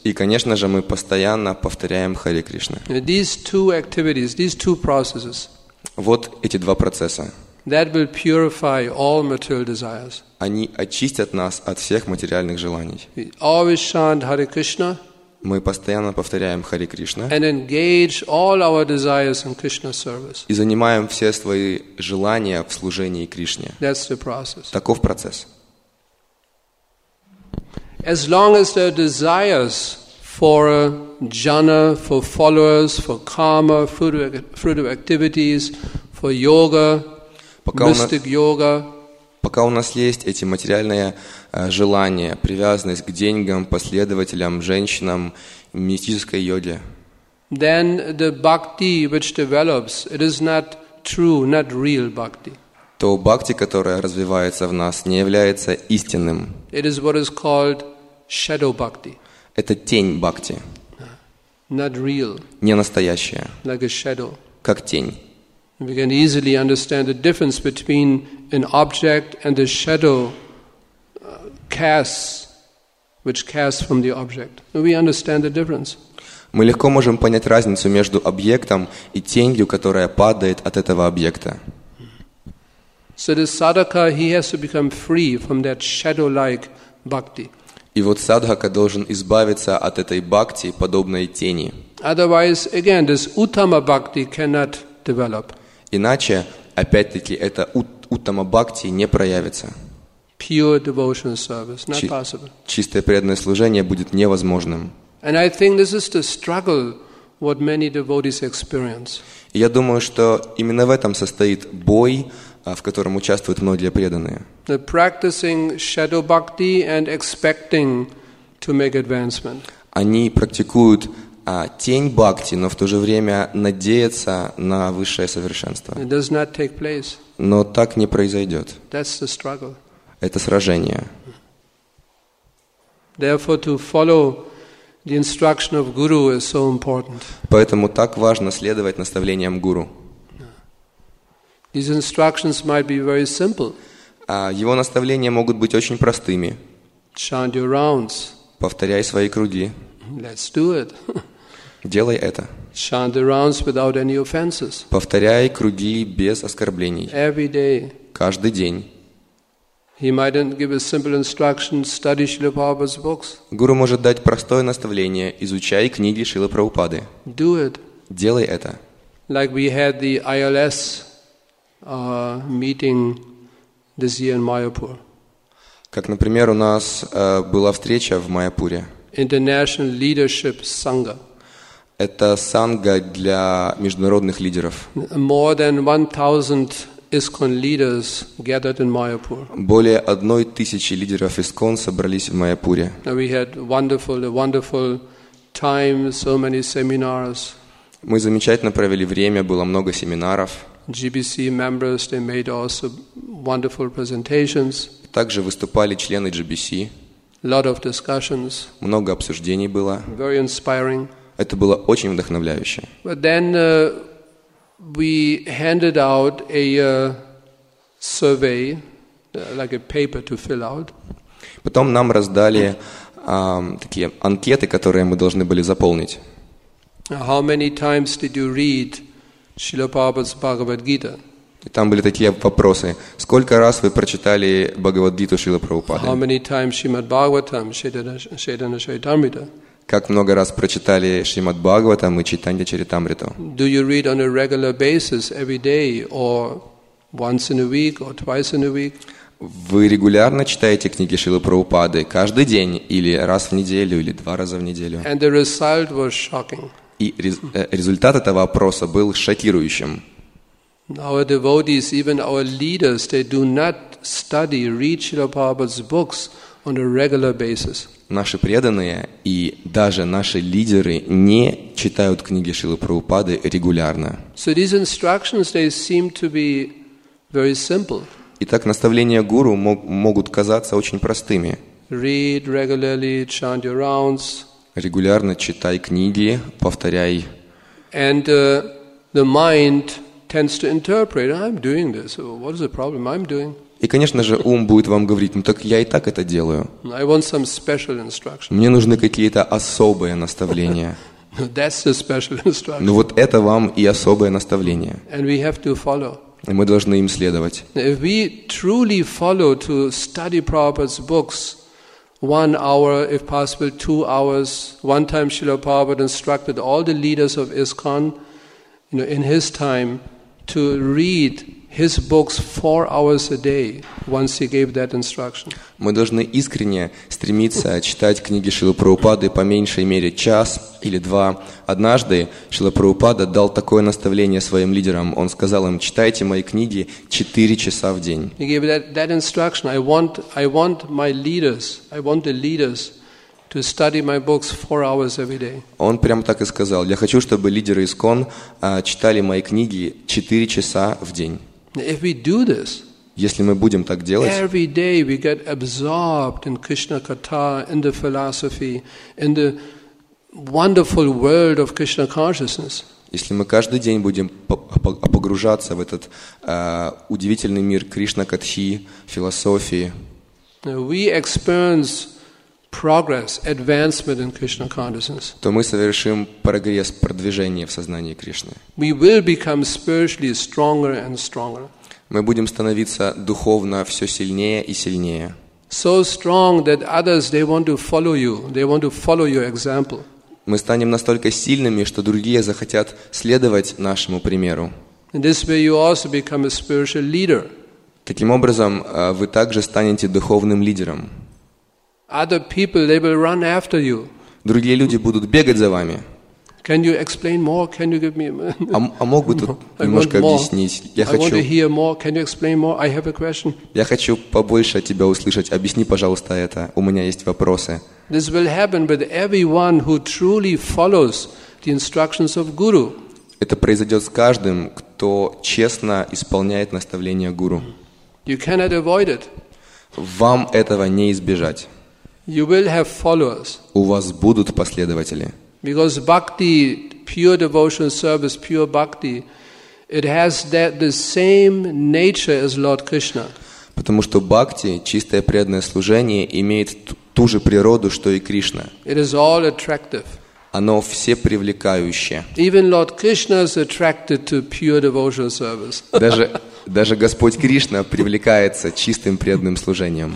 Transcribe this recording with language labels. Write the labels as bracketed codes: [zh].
[ru] И конечно же, мы постоянно повторяем Хари Кришна. [en] These two activities, these two processes. [ru] Вот эти два процесса. [en] That will purify all material desires. [ru] Они очистят нас от всех материальных желаний. [en] We always chant Hare Krishna. [ru] Мы постоянно повторяем Хари Кришна. [en] And engage all our desires in Krishna's service. [ru] И занимаем все свои желания в служении Кришне. [en] That's the process. [ru] Таков процесс. [en] As long as there are desires for jhana, for followers, for karma, fruitive activities, for yoga. [ru] Пока у нас есть эти материальные желания, привязанность к деньгам, последователям, женщинам, мистической йоге. [en] Then the bhakti which develops, it is not true, not real bhakti. [ru] То бхакти, которая развивается в нас, не является истинным. [en] It is what is called shadow bhakti. [ru] Это тень бхакти. [en] Not real. [ru] Не настоящая. [en] Like a shadow. [ru] Как тень. [en] We can easily understand the difference between an object and the shadow casts which casts from the object. We understand the difference. [ru] Мы легко можем понять разницу между объектом и тенью, которая падает от этого объекта. [en] So the sadhaka, he has to become free from that shadow-like bhakti. [ru] И вот садхака должен избавиться от этой бхакти, подобной тени. [en] Otherwise, again, this uttama bhakti cannot develop. [ru] Иначе, опять-таки, эта уттама бхакти не проявится. [en] Pure devotional service, not possible. [ru] Чистое преданное служение будет невозможным. [en] And I think this is the struggle what many devotees experience. [ru] Я думаю, что именно в этом состоит бой, в котором участвуют многие преданные. [en] The practicing shadow bhakti and expecting to make advancement. [ru] Они практикуют тень бхакти, но в то же время надеяться на высшее совершенство. [en] It does not take place. [ru] Но так не произойдет. [en] That's the struggle. [ru] Это сражение. [en] Therefore, to follow the instruction of guru is so important. [ru] Поэтому так важно следовать наставлениям гуру. [en] These instructions might be very simple. [ru] Его наставления могут быть очень простыми. [en] Chant your rounds. [ru] Повторяй свои круги. [en] Let's do it. [ru] Делай это. [en] Chant the rounds without any offenses. [ru] Повторяй круги без оскорблений. [en] Every day. [ru] Каждый день. [en] He might give a simple instruction: study Srila Prabhupada's books. [ru] Гуру может дать простое наставление: изучай книги Шрилы Прабхупады. [en] Do it. [ru] Делай это. [en] Like we had the ILS meeting this year in Mayapur. [ru] Как, например, у нас была встреча в Майяпуре. [en] International Leadership Sangha. [ru] Это санга для международных лидеров. [en] More than 1,000 ISKCON leaders gathered in Mayapur. [ru] Более 1000 лидеров ISKCON собрались в Майяпуре. [en] We had a wonderful time, so many seminars. [ru] Мы замечательно провели время, было много семинаров. [en] GBC members, they made also wonderful presentations. [ru] Также выступали члены GBC. [en] Lot of discussions. [ru] Много обсуждений было. [en] Very inspiring. [ru] Это было очень вдохновляюще. [en] But then we handed out a survey, like a paper to fill out. [ru] Потом нам раздали такие анкеты, которые мы должны были заполнить. [en] How many times did you read Srila Prabhupada's Bhagavad Gita? [ru] И там были такие вопросы: сколько раз вы прочитали Бхагавад-гиту Шрилы Прабхупады? [en] How many times Srimad Bhagavatam, Chaitanya Charitamrita? [ru] Как много раз прочитали Шримад Бхагаватам и Чайтанья Чаритамриту? [en] Do you read on a regular basis every day or once in a week or twice in a week? [ru] Вы регулярно читаете книги Шрилы Прабхупады каждый день или раз в неделю или два раза в неделю? [en] And the result was shocking. [ru] И результат этого опроса был шокирующим. [en] Our devotees, even our leaders, they do not study, read Srila Prabhupada's books on a regular basis. [ru] Наши преданные и даже наши лидеры не читают книги Шрилы Прабхупады регулярно. [en] So these instructions, they seem to be very simple. [ru] Итак, наставления гуру могут казаться очень простыми. [en] Read regularly, chant your rounds. [ru] Регулярно читай книги, повторяй. [en] And the mind tends to interpret, I'm doing this. What is the problem? I'm doing. [ru] И, конечно же, ум будет вам говорить: ну так я и так это делаю. [en] I want some special instructions. [ru] Мне нужны какие-то особые наставления. [en] That's the special instruction. [ru] Ну вот это вам и особое наставление. [en] And we have to follow. [ru] И мы должны им следовать. [en] If we truly follow to study Prabhupada's books, 1 hour, if possible, 2 hours. One time Srila Prabhupada instructed all the leaders of ISKCON, you know, in his time, to read his books 4 hours a day, once he gave that instruction. [ru] Мы должны искренне стремиться читать книги Шрилы Прабхупады по меньшей мере час или два. Однажды Шрила Прабхупада дал такое наставление своим лидерам. Он сказал им: читайте мои книги 4 часа в день. [en] He gave that instruction. I want my leaders, I want the leaders to study my books 4 hours every day. [ru] Он прямо так и сказал: я хочу, чтобы лидеры ISKCON читали мои книги 4 часа в день. [en] If we do this, [ru] если мы будем так делать, [en] every day we get absorbed in Krishna Katha, in the philosophy, in the wonderful world of Krishna consciousness. [ru] Если мы каждый день будем погружаться в этот удивительный мир Кришна Катхи, философии, [en] we experience progress, advancement in Krishna consciousness. [ru] То мы совершим прогресс, продвижение в сознании Кришны. [en] We will become spiritually stronger and stronger. [ru] Мы будем становиться духовно все сильнее и сильнее. [en] So strong that others they want to follow you. They want to follow your example. [ru] Мы станем настолько сильными, что другие захотят следовать нашему примеру. [en] In this way, you also become a spiritual leader. [ru] Таким образом, вы также станете духовным лидером. [en] Other people they will run after you. [ru] Другие люди будут бегать за вами. [en] Can you explain more? Can you give me? [ru] А мог бы тут немножко объяснить? Я хочу. [en] I want to hear more. Can you explain more? I have a question. [ru] Я хочу побольше от тебя услышать. Объясни, пожалуйста, это. У меня есть вопросы. [en] This will happen with everyone who truly follows the instructions of Guru. [ru] Это произойдет с каждым, кто честно исполняет наставления Гуру. [en] You cannot avoid it. [ru] Вам этого не избежать. [en] You will have followers. [ru] У вас будут последователи. [en] Because bhakti, pure devotional service, pure bhakti, it has that the same nature as Lord Krishna. [ru] Потому что бхакти, чистое преданное служение, имеет ту же природу, что и Кришна. [en] It is all attractive. [ru] Оно все привлекающее. [en] Even Lord Krishna is attracted to pure devotional service. [ru] Даже Господь Кришна привлекается чистым преданным служением.